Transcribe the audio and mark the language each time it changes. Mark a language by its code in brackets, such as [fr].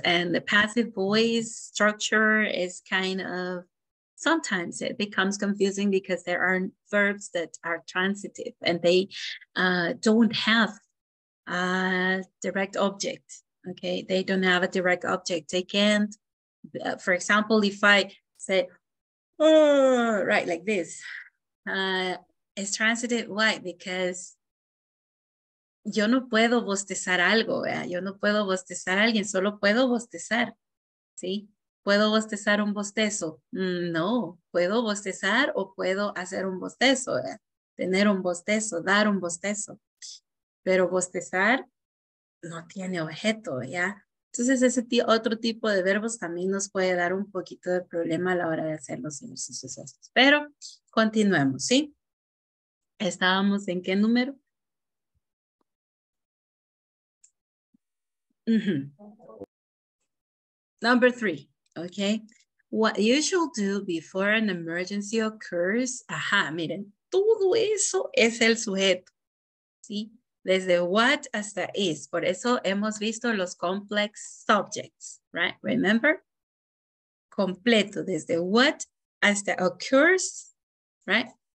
[en] And the passive voice structure is kind of, sometimes it becomes confusing because there are verbs that are transitive and they don't have a direct object. Okay, they don't have a direct object. They can't, for example, if I say, oh, right, like this, it's transitive. Why? Because [es] yo no puedo bostezar algo, ¿verdad? Yo no puedo bostezar a alguien, solo puedo bostezar. ¿Sí? ¿Puedo bostezar un bostezo? No, puedo bostezar o puedo hacer un bostezo, ¿verdad? Tener un bostezo, dar un bostezo. Pero bostezar no tiene objeto, ¿ya? Entonces ese otro tipo de verbos también nos puede dar un poquito de problema a la hora de hacer los ejercicios estos. Pero continuemos, ¿sí? ¿Estábamos en qué número? [en] Number three, okay. What you should do before an emergency occurs. [es] Ajá, miren, todo eso es el sujeto, ¿sí? Desde what hasta is. Por eso hemos visto los [en] complex subjects, right? Remember? [es] Completo, desde what hasta occurs, [en] right?